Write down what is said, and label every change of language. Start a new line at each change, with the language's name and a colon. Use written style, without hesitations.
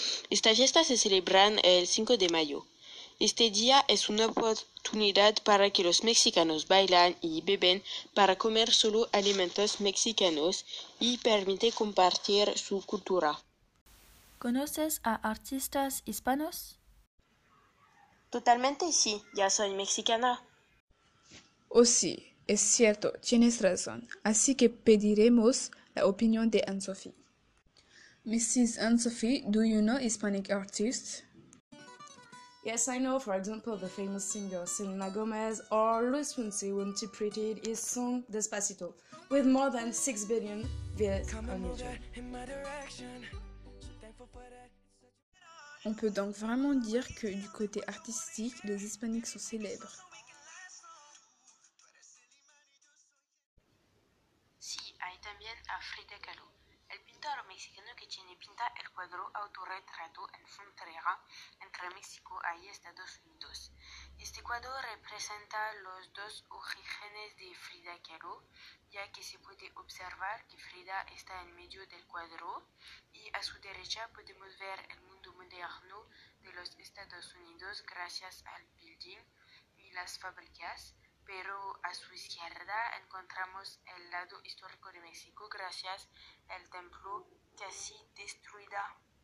Spanish: Esta fiesta se celebra el 5 de mayo. Este día es una oportunidad para que los mexicanos bailan y beben para comer solo alimentos mexicanos y permite compartir su cultura. ¿Conoces a artistas hispanos? Totalmente sí, ya soy mexicana. Oh sí, es cierto, tienes razón. Así que pediremos la opinión de Anne-Sophie.
English: Mrs. Anne-Sophie, do you know Hispanic artists? Yes, I know, for example, the famous singer Selena Gomez or Luis Fonsi when she interpreted his song Despacito with more than 6 billion views on YouTube.
French: On peut donc vraiment dire que du côté artistique, les Hispaniques sont célèbres.
Spanish: Sí, hay también a Frida Kahlo, el pintor mexicano que tiene pinta el cuadro autorretrato en frontera entre México y Estados Unidos. Este cuadro representa los dos orígenes de Frida Kahlo, ya que se puede observar que Frida está en medio del cuadro y a su derecha podemos ver el mundo moderno de los Estados Unidos gracias al building y las fábricas, pero a su izquierda encontramos el lado histórico de México gracias al templo casi destruida.